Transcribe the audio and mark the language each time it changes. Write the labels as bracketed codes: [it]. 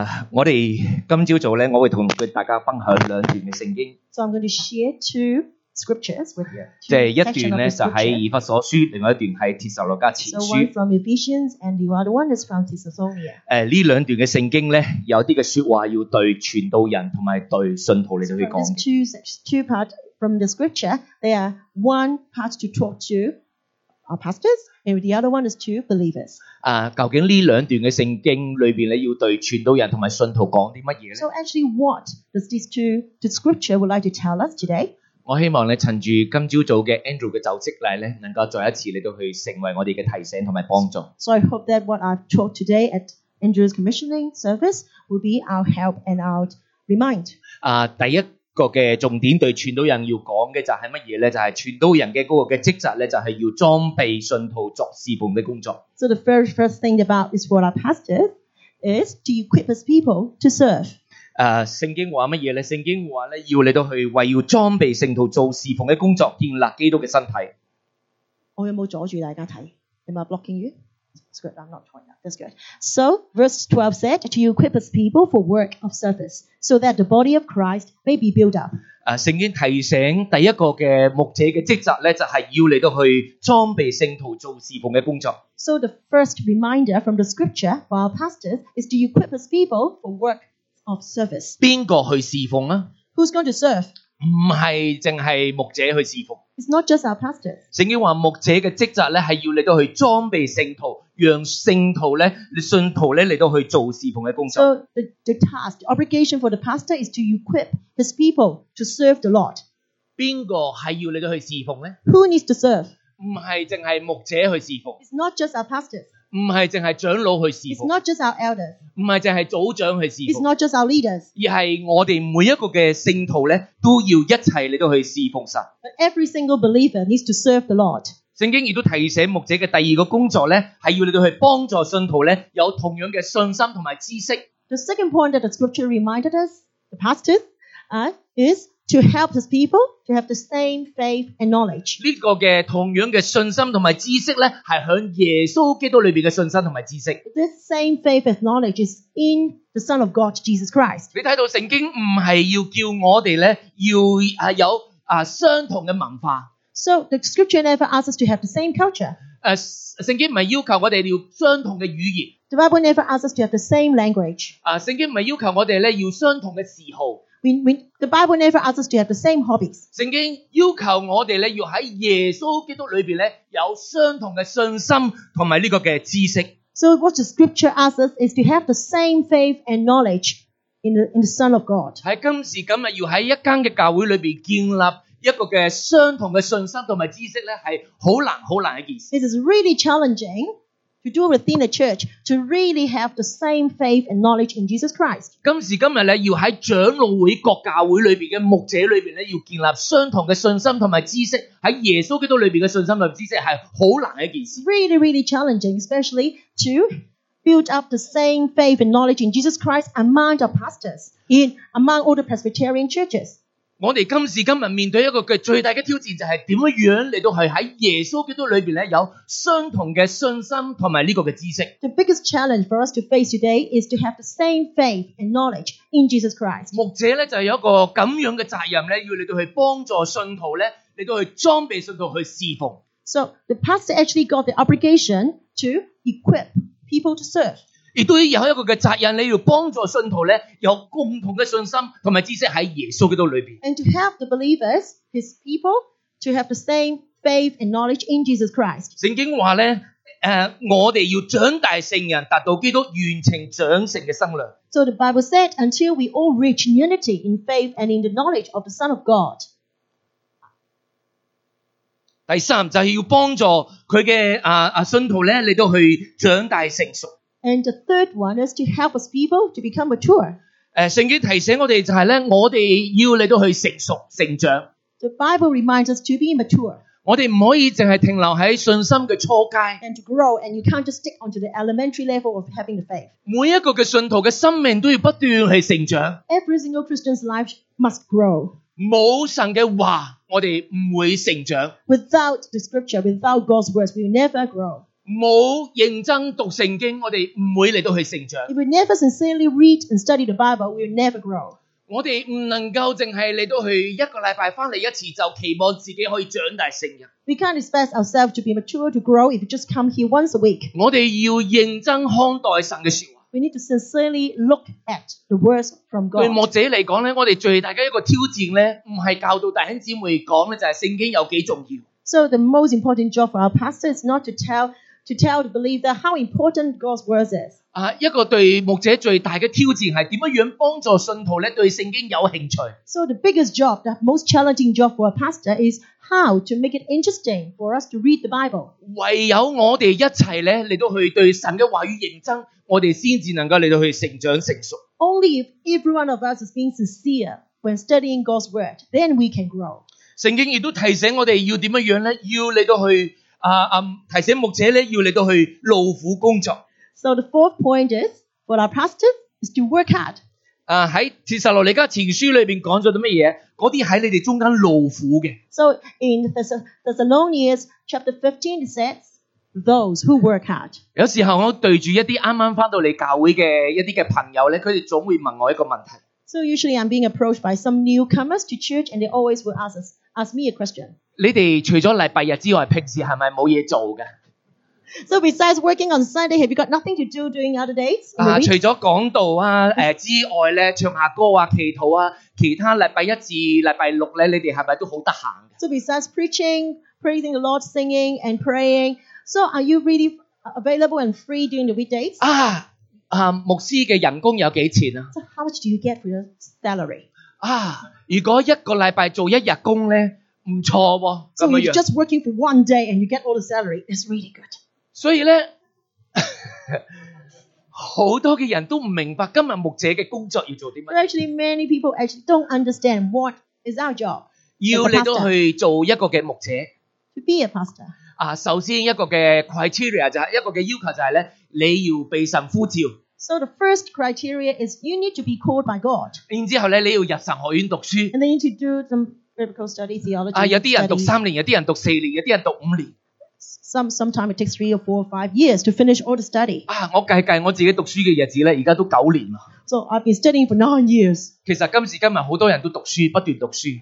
[yue] 我哋今朝早咧，我会同大家分享两段嘅圣经。 [en] So I'm going to share two scriptures with you. [yue] 即系一段咧就喺以弗所书，另外一段系帖撒罗加前书。 [en] So one from Ephesians and the other one is from Thessalonians. [yue] 呢两段嘅圣经咧，有啲嘅说话要对传道人同埋对信徒嚟到去讲。 [en] Two parts from the scripture. They are one part to talk to our pastors. And the other one is to believers. [yue] 究竟呢两段嘅圣经里边咧，要对传道人同埋信徒讲啲乜嘢咧 [en] ？So actually, what does these two scripture would like to tell us today? [yue] 我希望咧，趁住今朝早嘅 Andrew 嘅就职礼咧，能够再一次嚟到去成为我哋嘅提醒同埋帮助。 [en] So I hope that what I've taught today at Andrew's commissioning service will be our help and our remind. [yue] 第一。个嘅重点对传道人要讲嘅就系乜嘢咧？就系传道人嘅嗰个嘅职责咧，就系要装备信徒作事奉嘅工作。 [en] So the very first thing about is for our pastors is to equip his people to serve. [yue] 圣经话乜嘢咧？圣经话咧要你都去为要装备信徒做事奉嘅工作，建立基督嘅身体。我有冇阻住大家睇 [en] ？Am I blocking you? That's good. I'm not trying. That's good. So verse 12 said to equip his people for work of service. So that the body of Christ may be built up. [yue] 圣经提醒第一个嘅牧者嘅职责咧，就系要嚟到去装备圣徒做侍奉嘅工作。 [en] So the first reminder from the scripture for our pastors is to equip his people for work of service. [yue] 边个去侍奉啊 [en] ？Who's going to serve？ [yue] 唔系净系牧者去侍奉。 [en] It's not just our pastors. [yue] 圣经话牧者嘅职责咧，系要嚟到去装备圣徒。让圣徒咧，信徒咧嚟到去做侍奉嘅工作。 [en] So the task, the obligation for the pastor is to equip his people to serve the Lord. [yue] 边个系要嚟到去侍奉咧 [en] ？Who needs to serve？ [yue] 唔系净系牧者去侍奉。 [en] It's not just our pastors. [yue] 唔系净系长老去侍奉。 [en] It's not just our elders. [yue] 唔系净系组长去侍奉。 [en] It's not just our leaders. [yue] 而系我哋每一个嘅圣徒咧，都要一齐嚟到去侍奉神。 [en] But every single believer needs to serve the Lord. [yue] 圣经亦都提醒牧者嘅第二个工作咧，系要你哋去帮助信徒咧有同样嘅信心同埋知识。 [en] The second point that the scripture reminded us, the pastors, is to help his people to have the same faith and knowledge. [yue] 呢个嘅同样嘅信心同埋知识咧，系响耶稣基督里边嘅信心同埋知识。 [en] This same faith and knowledge is in the Son of God, Jesus Christ. [yue] 你睇到圣经唔系要叫我哋咧要有相同嘅文化。 [en] So the scripture never asks us to have the same culture. [yue] 圣经唔系要求我哋要相同嘅语言。 [en] The Bible never asks us to have the same language. [yue] 圣经唔系要求我哋咧要相同嘅嗜好。 [en] The Bible never asks us to have the same hobbies. [yue] 圣经要求我哋咧要喺耶稣基督里边咧有相同嘅信心同埋呢个嘅知识。 [en] So what the scripture asks us is to have the same faith and knowledge in the Son of God. [yue] 喺今时今日要喺一间嘅教会里边建立。一个嘅相同嘅信心同埋知识咧，系好难好难一件事。 [en] It is really challenging to do within the church to really have the same faith and knowledge in Jesus Christ. [yue] 今时今日咧，要喺长老会各教会里边嘅牧者里边咧，要建立相同嘅信心同埋知识喺耶稣基督里边嘅信心同埋知识系好难一件事。 [en] Really, really challenging, especially to build up the same faith and knowledge in Jesus Christ among our pastors, among all the Presbyterian churches. [yue] 我哋今时今日面对一个最大嘅挑战，就系点样嚟到系喺耶稣基督里边咧有相同嘅信心同埋呢个嘅知识。 [en] The biggest challenge for us to face today is to have the same faith and knowledge in Jesus Christ。 [yue] 牧者咧就有一个咁样嘅责任咧，要嚟到去帮助信徒咧，嚟到去装备信徒去侍奉。 [en] So the pastor actually got the obligation to equip people to serve。 [yue] 亦都有一个嘅责任，你要帮助信徒咧有共同嘅信心同埋知识喺耶稣基督里边。 [en] And to help the believers, his people, to have the same faith and knowledge in Jesus Christ. [yue] 圣经话咧，我哋要长大成人，达到基督完全长成嘅身量。 [en] So the Bible said, until we all reach unity in faith and in the knowledge of the Son of God. [yue] 第三就系要帮助佢嘅信徒咧，你都去长大成熟。 [en] And the third one is to help us people to become mature. [yue] 圣经提醒我哋就系咧，我哋要嚟到去成熟成长。 [en] The Bible reminds us to be mature. [yue] 我哋唔可以净系停留喺信心嘅初阶。 [en] And to grow, and you can't just stick onto the elementary level of having the faith. [yue] 每一个嘅信徒嘅生命都要不断去成长。 [en] Every single Christian's life must grow. [yue] 冇神嘅话，我哋唔会成长。 [en] Without the scripture, without God's words, we will never grow. [yue] 冇认真读圣经，我哋唔会嚟到去成长。 [en] If we never sincerely read and study the Bible, we will never grow. [yue] 我哋唔能够净系嚟到去一个礼拜翻嚟一次，就期望自己可以长大成人。 [en] We can't expect ourselves to be mature to grow if we just come here once a week. [yue] 我哋要认真看待神嘅说话。 [en] We need to sincerely look at the words from God. [yue] 对牧者来讲呢，我们最大的一个挑战呢，不是教导弟兄姊妹讲呢，就是圣经有几重要。 [en] So the most important job for our pastor is not to tell the believer how important God's words is. [yue] 一个对牧者最大的挑战是怎样帮助信徒呢，对圣经有兴趣。 [en] So the biggest job, the most challenging job for a pastor is how to make it interesting for us to read the Bible. [yue] 唯有我们一起呢，来到去对神的话语认真，我哋先至能够嚟到去成长成熟。 [en] Only if every one of us is being sincere when studying God's word, then we can grow. [yue] 圣经亦都提醒我哋要点样咧？要嚟到去提醒牧者咧，要嚟到去劳苦工作。 [en] So the fourth point is for our pastor is to work hard. [yue] 喺帖撒罗尼加前书里边讲咗啲乜嘢？嗰啲喺你哋中间劳苦嘅。 [en] So in Thessalonians chapter 15, it says. Those who work hard. [yue] 有时候我对住一啲啱啱翻到嚟教会嘅一啲嘅朋友咧，佢哋总会问我一个问题。 [en] So usually I'm being approached by some newcomers to church, and they always will ask me a question. [yue] 你哋除咗礼拜日之外，平时系咪冇嘢做嘅 [en] ？So besides working on Sunday, have you got nothing to do during other days? [yue] 除咗讲道啊，之外咧，唱下歌啊，祈祷啊，其他礼拜一至礼拜六咧，你哋系咪都好得闲 [en] ？So besides preaching, praising the Lord, singing and praying. So are you really available and free during the weekdays? [yue] 牧师嘅人工有几钱啊 [en] ？So how much do you get for your salary? [yue] 如果一个礼拜做一日工咧，唔错喎。 [en] So you're just working for one day and you get all the salary. It's really good. [yue] 所以咧，好多嘅人都唔明白今日牧者嘅工作要做啲乜。 [en] But actually, many people actually don't understand what is our job. [yue] 要嚟到去做一个嘅牧者。 [en] To be a pastor. [yue] 首先一个嘅 criteria 就系一个嘅要求就系咧，你要被神呼召。 [en] So the first criteria is you need to be called by God. [yue] 然之后咧，你要入神学院读书。 [en] And then you need to do some biblical study theology. [yue] 有啲人读三年，有啲人读四年，有啲人读五年。 [en] Sometimes it takes 3 or 4 or 5 years to finish all the study. [yue] 我计计我自己读书嘅日子咧，而家都九年啦。 [en] So I've been studying for 9 years. [yue] 其实今时今日好多人都读书，不断读书。